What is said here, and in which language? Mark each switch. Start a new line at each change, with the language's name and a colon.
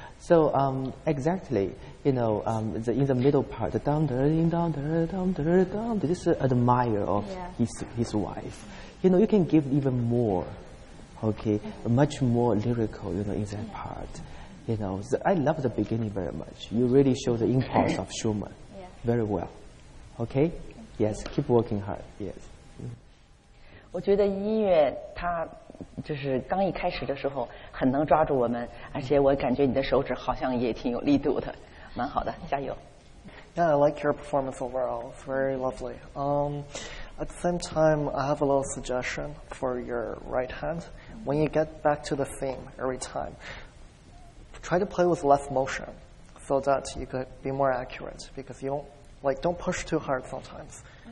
English: So, exactly, you know, in the middle part, this is an admire of his wife. You know, you can give even more, okay, much more lyrical, you know, in that part. You know, I love the beginning very much. You really show the impulse of Schumann very well. Okay? Yes, keep working hard. Yes.
Chinese: 我觉得音乐它就是刚一开始的时候很能抓住我们，而且我感觉你的手指好像也挺有力度的，蛮好的，加油。
English: Yeah, I like your performance overall. It's very lovely. At the same time, I have a little suggestion for your right hand. When you get back to the theme every time, try to play with less motion so that you could be more accurate because you don't push too hard sometimes.